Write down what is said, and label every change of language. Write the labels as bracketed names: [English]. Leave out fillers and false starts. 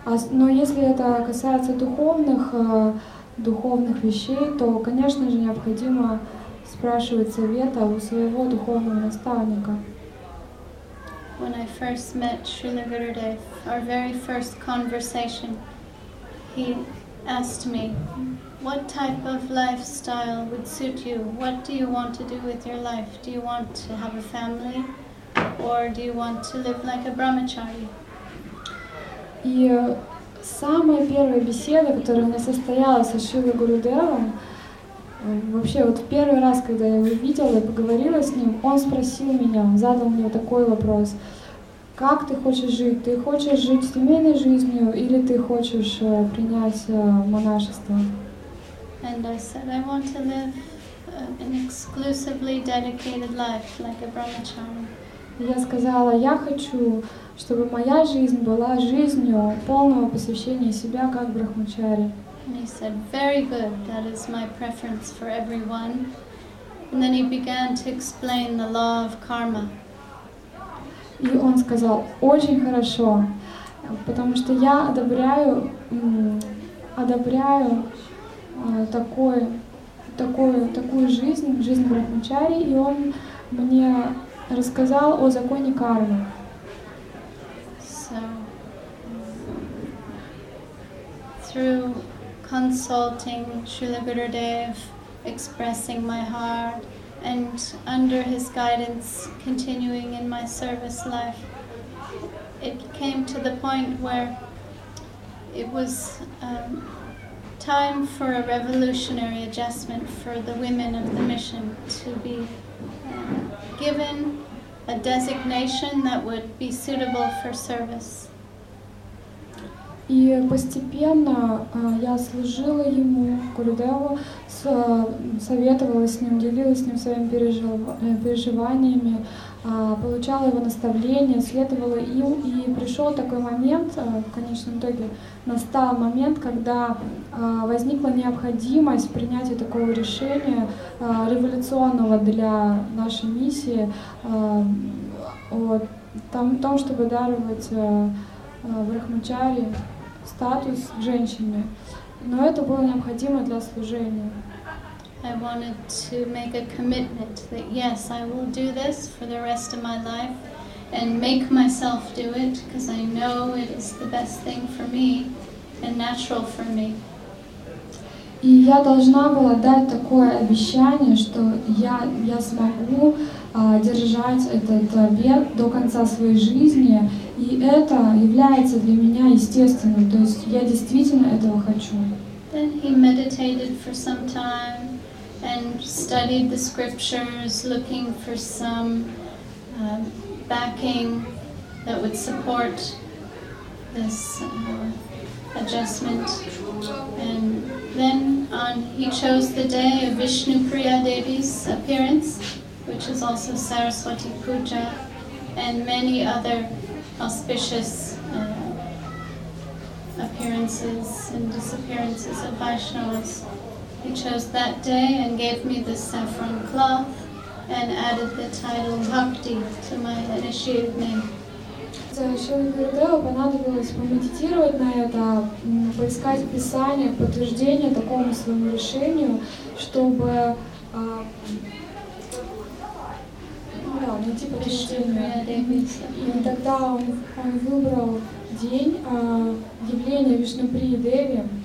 [Russian] Но если это касается духовных вещей, то, конечно же, необходимо спрашивать совета у своего духовного наставника. [English] When I first met Srila Gurudev, our very first conversation, he asked me, what type of lifestyle would suit you? What do you want to do with your life? Do you want to have a family? Or do you want to live like a brahmachari? [Russian] И самая первая беседа, которая у меня состоялась со Шрилой Гурудевом, вообще вот в первый раз, когда я его видела и поговорила с ним, он спросил меня, задал мне такой вопрос. Как ты хочешь жить? Ты хочешь жить семейной жизнью или ты хочешь принять монашество? [English] And I said, I want to live an exclusively dedicated life, like a brahmachari. [Russian] Я сказала, я хочу, чтобы моя жизнь была жизнью полного посвящения себя, как брахмачари. [English] And he said, very good, that is my preference for everyone. And then he began to explain the law of karma. [Russian] И он сказал, очень хорошо, потому что я одобряю такую жизнь брахмачари, и он мне рассказал о законе кармы. [English] So, through consulting Srila Gurudev, expressing my heart, and under his guidance, continuing in my service life, it came to the point where it was time for a revolutionary adjustment for the women of the mission to be given a designation that would be suitable for service. [Russian] И постепенно я служила ему, Гурудеву, советовала с ним, делилась с ним своими переживаниями, получала его наставления, следовала им. И пришел такой момент, в конечном итоге настал момент, когда возникла необходимость принятия такого решения, революционного для нашей миссии, о том, чтобы даровать брахмачари статус женщины, но это было необходимо для служения. [English] I wanted to make a commitment that yes, I will do this for the rest of my life and make myself do it, because I know it is the best thing for me and natural for me. [Russian] И я должна была дать такое обещание, что я смогу держать этот обет до конца своей жизни, и это является для меня естественным, то есть я действительно этого хочу. [English] Then he meditated for some time and studied the scriptures, looking for some backing that would support this adjustment. And then he chose the day of Vishnu Priya Devi's appearance. which is also Saraswati Puja, and many other auspicious appearances and disappearances of Vaishnavas. He chose that day and gave me the saffron cloth and added the title Bhakti to my initiative name. [Russian] Шиле Гурудеву понадобилось помедитировать на это, поискать писание, подтверждение такому своему решению, чтобы найти подтверждение. И тогда он выбрал день явления Вишнуприи Деви.